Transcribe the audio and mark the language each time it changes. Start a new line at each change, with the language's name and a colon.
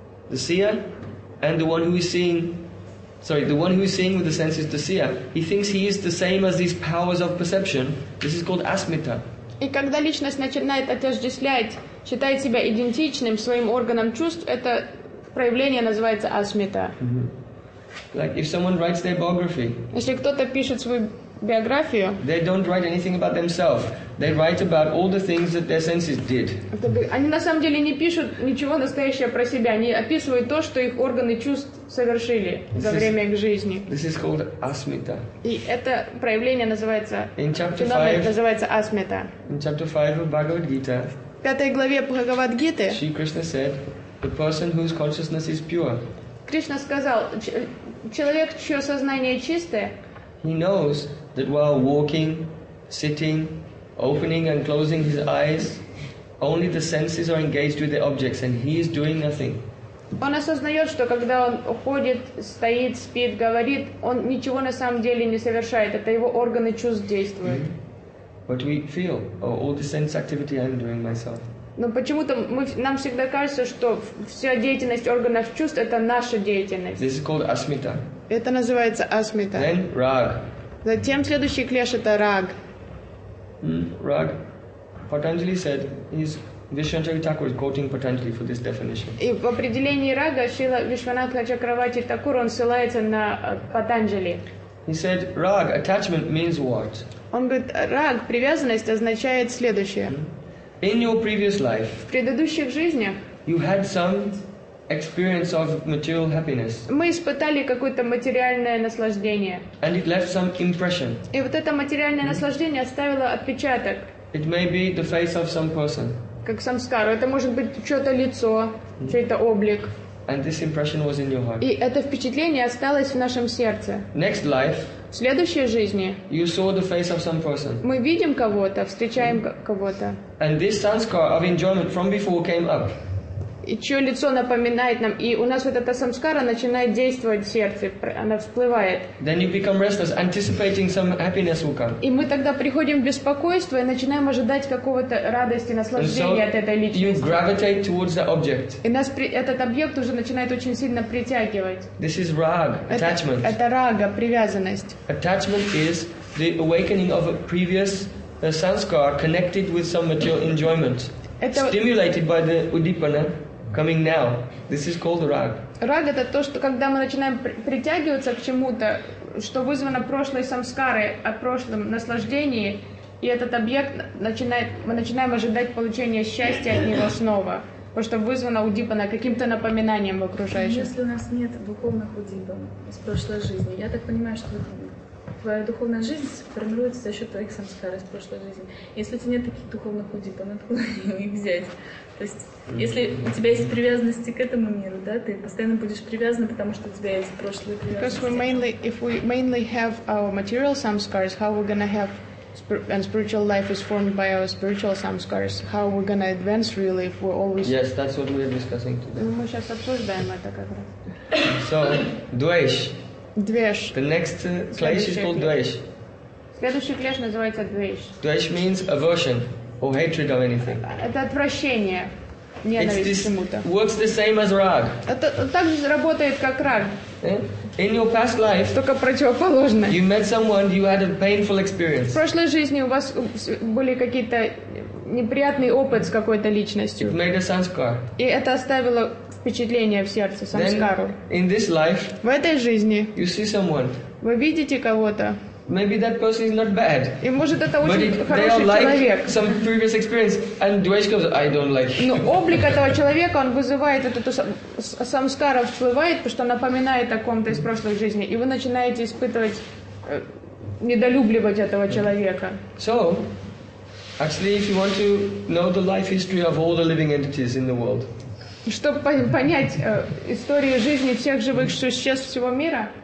English: The seer, and the one who is seeing, the one who is seeing with the senses, the seer, he thinks he is the same as these powers of perception. This is called asmita.
Russian: И когда личность начинает отождествлять, считает себя идентичным своим органом чувств, это проявление называется асмита.
English: Like if someone writes their biography.
Russian: Если кто-то пишет свою биографию.
English: They don't write anything about themselves. They write about all the things that their senses did.
Russian: Они на самом деле не пишут ничего настоящего про себя. Они описывают то, что их органы чувств совершили за время их жизни.
English: This is called asmita.
Russian: И это проявление называется.
English: In chapter 5 of Bhagavad Gita.
Russian: В пятой главе Бхагавад Гиты.
English: Shri Krishna said, the person whose consciousness is pure.
Russian: Кришна сказал, человек, чье сознание чистое,
English: he knows that while walking, sitting, opening and closing his eyes, only the senses are engaged with the objects and he is doing nothing.
Russian: Он осознает, что когда он ходит, стоит, спит, говорит, он ничего на самом деле не совершает, это его органы чувств действуют.
English: But we feel, all the sense activity I'm doing myself.
Russian: Но почему-то нам всегда кажется, что вся деятельность органов чувств это наша деятельность.
English: This is called asmita.
Russian: Это называется асмита.
English: Then rag.
Russian: Затем следующий клеш это раг. Раг.
English: Patanjali said, is Vishwanatha Thakur quoting Patanjali for this definition.
Russian: И в определении рага Шрила Вишванатха Чакраварти Такур он ссылается на Патанджали.
English: He said, rag, attachment means what?
Russian: Он говорит, раг, привязанность означает следующее.
English: In your previous life,
Russian: в предыдущих жизнях,
English: you had some experience of material happiness.
Russian: Мы испытали какое-то материальное наслаждение.
English: And it left some impression.
Russian: И вот это материальное наслаждение оставило отпечаток.
English: It may be the face of some person.
Russian: Как самскару, это может быть чьё-то лицо, чей-то облик.
English: And this impression was in your heart.
Russian: И это впечатление осталось в нашем сердце.
English: Next life.
Russian: В следующей жизни
English: you saw the face of some person.
Russian: Мы видим кого-то, встречаем кого-то.
English: And this sanskar of enjoyment from before came up.
Russian: И чье лицо напоминает нам, и у нас вот эта самскара начинает действовать в сердце, она всплывает.
English: Then you become restless, anticipating some happiness will come.
Russian: И мы тогда приходим в беспокойство и начинаем ожидать какого-то радости, наслаждения so от этой личности.
English: You gravitate towards the object.
Russian: И нас этот объект уже начинает очень сильно притягивать.
English: This is rag, attachment.
Russian: Это рага, привязанность.
English: Attachment is the awakening of a previous sanskar connected with some material enjoyment. Stimulated by the Udipana coming now. This is called rag.
Russian: Рага это то, что когда мы начинаем притягиваться к чему-то, что вызвано прошлой самскарой, о прошлом наслаждении, и этот объект начинает, мы начинаем ожидать получения счастья от него снова. Потому что вызвано Удипана каким-то напоминанием в окружающем. Если у нас нет духовных Удипан из прошлой жизни, я так понимаю, что твоя духовная жизнь формируется за счет твоих самскар из прошлой жизни. Если у тебя нет таких духовных удипан, откуда их взять? То есть, если у тебя есть привязанности к этому миру, да, ты постоянно будешь привязан, потому что у тебя есть прошлые привязанности.
English: Because we mainly, if we mainly have our material samskars, how we're gonna have and spiritual life is formed by our spiritual samskars. How we're gonna advance really if we're always? Yes, that's what we're discussing today.
Russian: Мы сейчас обсуждаем это как раз.
English: So, dvesh. Dvesh. The next klesh is called dvesh.
Russian: Следующий клеш называется dvesh.
English: Dvesh means aversion or hatred of anything.
Russian: Это отвращение. ненависть чему-то.
English: Works the same as rag.
Russian: Это так же работает, как раг.
English: In your past life,
Russian: только противоположно.
English: You met someone, you had a painful experience.
Russian: В прошлой жизни у вас были какие-то неприятный опыт с какой-то личностью.
English: It made a sanskar.
Russian: И это оставило впечатление в сердце, самскару.
English: Then, in this life,
Russian: в этой жизни,
English: you see someone.
Russian: Вы видите кого-то.
English: Maybe that person is not bad.
Russian: И может это очень хороший человек.
English: Like some previous experience, and Dwayshka goes, I don't like.
Russian: Но облик этого человека, он вызывает эту самскару, всплывает, потому что напоминает о ком-то из прошлой жизни, и вы начинаете испытывать недолюбливать этого человека.
English: So, actually, if you want to know the life history of all the living entities in the world.
Russian: Чтобы понять историю жизни всех живых существ всего мира.